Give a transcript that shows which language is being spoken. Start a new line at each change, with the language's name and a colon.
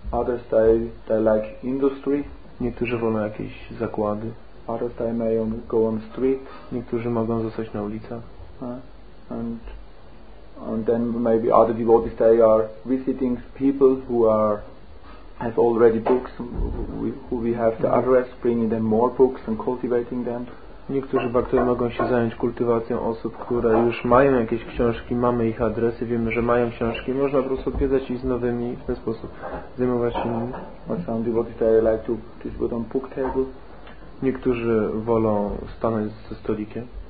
English: Others they like industry.
Polish: Niektórzy wolą jakieś zakłady.
English: Others they may go on street.
Polish: Niektórzy mogą zostać na ulicach.
English: And then maybe other devotees they are visiting people who are have already books who we have the address, bringing them more books and cultivating them.
Polish: Niektórzy baktowie mogą się zająć kultywacją osób, które już mają jakieś książki, mamy ich adresy, wiemy, że mają książki, można po prostu odwiedzać ich z nowymi w ten sposób zajmować się nimi.
English: But some devotees they like to distribute on book table.
Polish: Niektórzy wolą stanąć ze stolikiem.